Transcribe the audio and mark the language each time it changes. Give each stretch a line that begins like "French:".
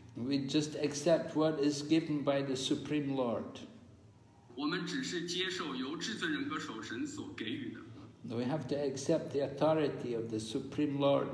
English: We just accept what is given by the Supreme Lord.
Chinese: 我们只是接受由至尊人格首神所给予的。
English: We have to accept the authority of the Supreme Lord.